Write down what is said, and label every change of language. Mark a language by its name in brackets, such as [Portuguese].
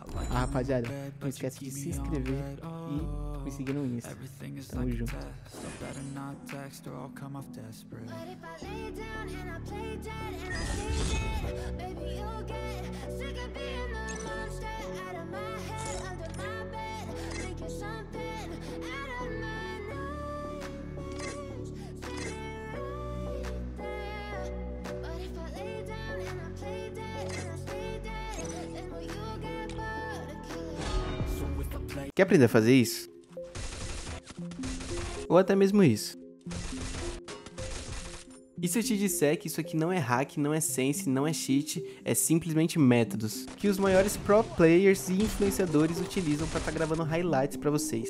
[Portuguese] Ah, rapaziada, não esquece de se inscrever e me seguir no Insta. Tamo junto. [English] Better not text or I'll come off desperate. But if I lay down and I play dead and I stay dead, baby, you'll get sick of being the monster out of my head, under my bed, thinking something out of my nightmares, sitting right there. But if I lay down and I play dead and I stay dead, then will you get bored of killing? [Portuguese] Quer aprender a fazer isso? Ou até mesmo isso. E se eu te disser que isso aqui não é hack, não é sense, não é cheat, é simplesmente métodos que os maiores pro players e influenciadores utilizam para estar tá gravando highlights para vocês.